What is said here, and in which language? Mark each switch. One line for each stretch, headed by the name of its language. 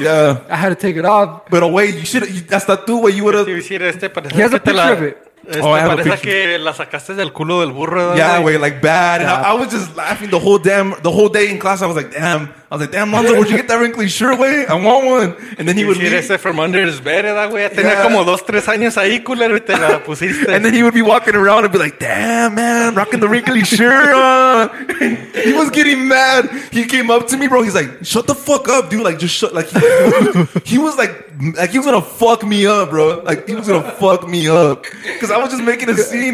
English: Yeah. I had to take it off. But wait, you should have. That's the two way you would have. He has a picture of it. Oh, I have a picture.
Spanish: Que la sacaste del culo del burro,
English: yeah, like, wait, like bad. Yeah. And I was just laughing the whole day in class. I was like, damn. I was like, damn, Lonzo, where'd you get that wrinkly shirt, way? I want one. And then he would leave. From under his bed,
Spanish: tenía como dos, tres años ahí, culero, y te la pusiste.
English: And then he would be walking around and be like, damn, man, rocking the wrinkly shirt. He was getting mad. He came up to me, bro. He's like, shut the fuck up, dude. Like, just shut. Like, he was like he was going to fuck me up, bro. Like, he was going to fuck me up. I was just making a scene.